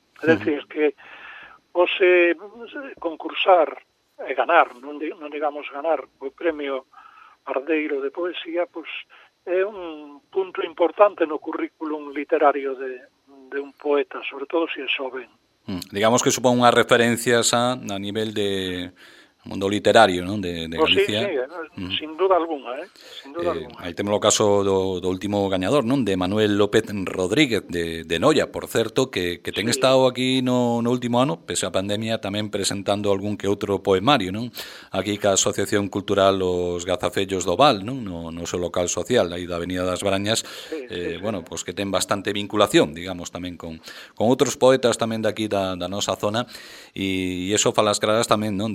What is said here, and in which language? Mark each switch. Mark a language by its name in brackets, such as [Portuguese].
[Galician] É decir, que ose concursar e ganar, non digamos ganar, o premio Ardeiro de Poesía, pois é un punto importante no currículum literario de un poeta, sobre todo se é xoven. Digamos que supón unha referencia a nivel de mundo literario, non? De Galicia. [Spanish] Sin duda alguna, sin duda alguna. [Galician] Aí temos o caso do último gañador, non? De Manuel López Rodríguez de Noia, por certo, que ten estado aquí no último ano, pese á pandemia, tamén presentando algún que outro poemario, non? Aquí ca Asociación Cultural Os Gazafellos do Val, non? No seu local social, aí da Avenida das Brañas, bueno, pois que ten bastante vinculación, digamos, tamén con outros poetas tamén daqui da nosa zona, e eso falas claras tamén, non?